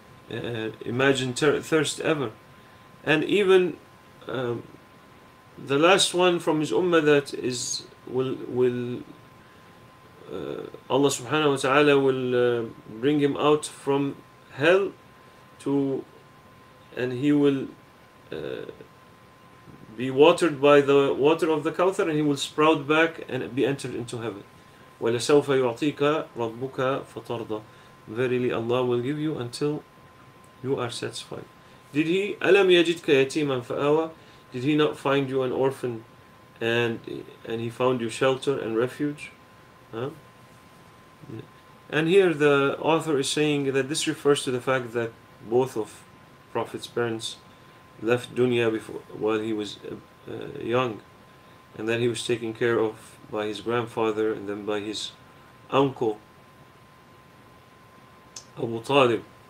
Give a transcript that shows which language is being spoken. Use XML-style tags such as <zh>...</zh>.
<en>Imagine thirst ever. And even the last one from his ummah that is will Allah subhanahu wa ta'ala will bring him out from hell to, and he will be watered by the water of the Kawthar, and he will sprout back and be entered into heaven.</en> <ar>وَلَسَوْفَ يُعْطِيكَ رَبُّكَ فَتَرْضَى.</ar> <en>Verily, Allah will give you until you are satisfied. Did he,</en> <ar>أَلَمْ يَجِدْكَ يَتِيمًا فَآوَى.</ar> <en>Did he not find you an orphan and he found you shelter and refuge? And here the author is saying that this refers to the fact that both of Prophet's parents left dunya while he was young, and then he was taken care of by his grandfather and then by his uncle, Abu Talib.</en>